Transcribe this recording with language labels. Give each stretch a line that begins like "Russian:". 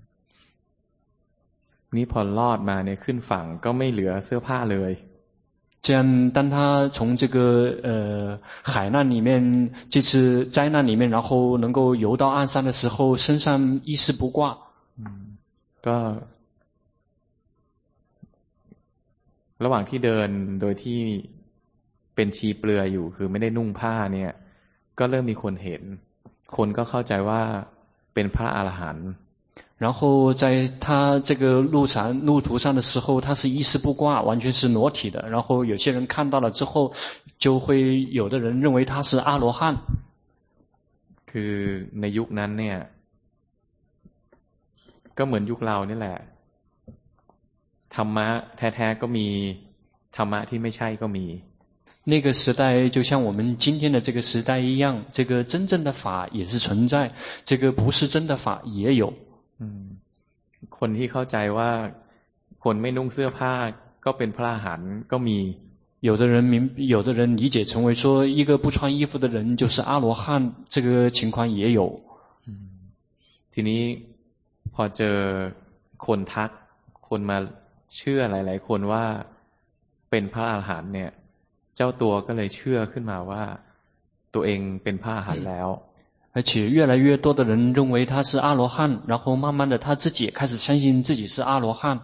Thai: 嗯，你พอรอดมาเนี่ยขึ้นฝั่งก็ไม่เหลือเสื้อผ้าเลย。
Chinese: 这样，当他从这个海难里面，这次灾难里面，然后能够游到岸上的时候，身上衣饰不挂，
Thai: 嗯，ก็ระหว่างที่เดินโดยที่เป็นชีเปลือยอยู่คือไม่ได้นุ่งผ้าเนี่ยก็เริ่มมีคนเห็นคนก็เข้าใจว่าเป็นพระอรหันต์
Chinese: 然后在他这个路途上的时候，他是衣饰不挂，完全是裸体的。然后有些人看到了之后，就会有的人认为他是阿罗汉。
Thai: คือในยุคนั้นเนี่ยก็เหมือนยุคเรานี่แหละธรรมะแท้ๆก็มีธรรมะที่ไม่ใช่ก็มี
Chinese: 那个时代就像我们今天的这个时代一样，这个真正的法也是存在，这个不是真的法也有。
Thai: คนที่เข้าใจว่าคนไม่นุ่งเสื้อผ้าก็เป็นพระอรหันต์ก็มี
Chinese: 有的人明有的人理解成为说一个不穿衣服的人就是阿罗汉这个情况也有
Thai: ทีนี้พอเจอคนทักคนมาเชื่อหลายๆคนว่าเป็นพระอรหันต์เนี่ยเจ้าตัวก็เลยเชื่อขึ้นมาว่าตัวเองเป็นพระอรหันต์แล้ว
Chinese: 而且越来越多的人认为他是阿罗汉，然后慢慢的他自己也开始相信自己是阿罗汉。